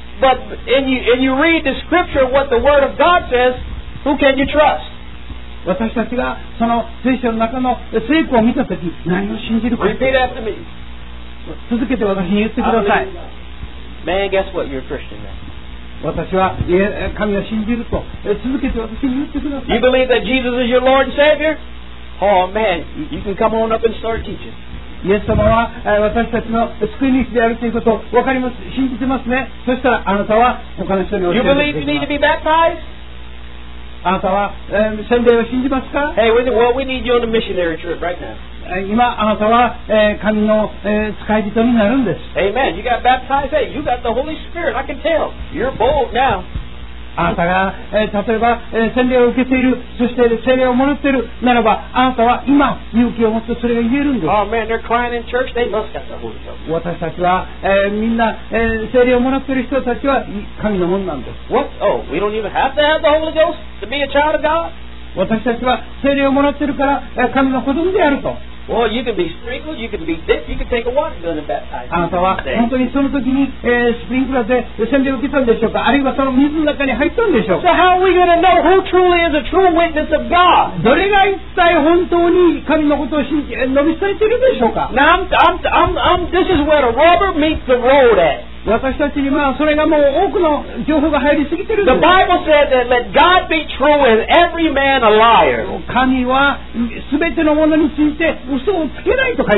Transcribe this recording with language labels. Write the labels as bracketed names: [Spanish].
[English] But, and you read the scripture, what the word of God says, who can you trust? [Japanese] 私たちがその聖書の中の聖句を見たとき何を信じるか。 [English] Repeat after me. [Japanese] 続けて私に言ってください。 [English] Man, guess what? You're a Christian now. [Japanese] 私は神を信じると続けて私に言ってください。 [English] You believe that Jesus is your Lord and Savior? Oh man, you can come on up and start teaching. [Japanese] イエス様は私たちの救い主であるということを分かります、信じてますね。そしたらあなたは他の人に教えてください。 [English] You believe you need to be baptized? [Japanese] あなたは、洗礼を信じますか。 [English] Hey, well, we need you on a missionary trip right now. [Japanese] 今あなたは、神の、使い人になるんです。 [English] Amen. You got baptized. Hey, you got the Holy Spirit. I can tell. You're bold now. [Japanese] あなたが、例えば、洗礼を受けている、そして洗礼をもらっているならば、あなたは今勇気を持ってそれが言えるんです。 [English] Oh man, they're crying in church. They must got the Holy Ghost. [Japanese] 私たちは、みんな、洗礼をもらっている人たちは神のものなんです。 [English] What? Oh, we don't even have to have the Holy Ghost? To be a child of God? [Japanese] 私たちは聖霊をもらっているから神の子供であると。 [English] Well, you can be sprinkled, you can be dipped, you can take a water gun and baptize. [Japanese] あなたは本当にその時に、スプリンクラーで洗礼を受けたんでしょうか、あるいはその水の中に入ったんでしょうか。 [English] So how are we going to know who truly is a true witness of God? [Japanese] どれが一体本当に神のことを信じ伸びされているでしょうか。 [English] Now I'm this is where the rubber meets the road at. [Japanese] 私たちにはそれがもう多くの情報が入りすぎてるんです。 [English] The Bible said that let God be true and every man a liar. [Japanese] 神は全てのものについて嘘をつけないとか